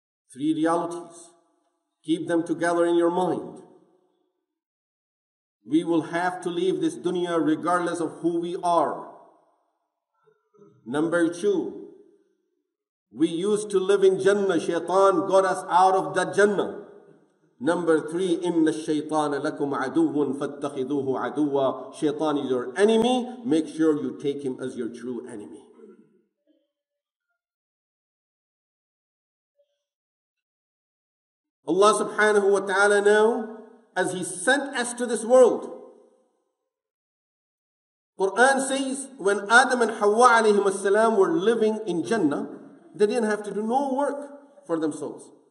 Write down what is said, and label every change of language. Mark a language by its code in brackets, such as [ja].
[en] Three realities. Keep them together in your mind. We will have to leave this dunya regardless of who we are. Number two, We used to live in Jannah. Shaytan got us out of that Jannah. Number 3, [ar] إِنَّ الشَّيْطَانَ لَكُمْ عَدُوٌ فَاتَّخِذُوهُ عَدُوًا. [en] Shaytan is your enemy. Make sure you take him as your true enemy. Allah subhanahu wa ta'ala now, as He sent us to this world, Quran says, when Adam and Hawa alayhim as-salam were living in Jannah, they didn't have to do no work for themselves.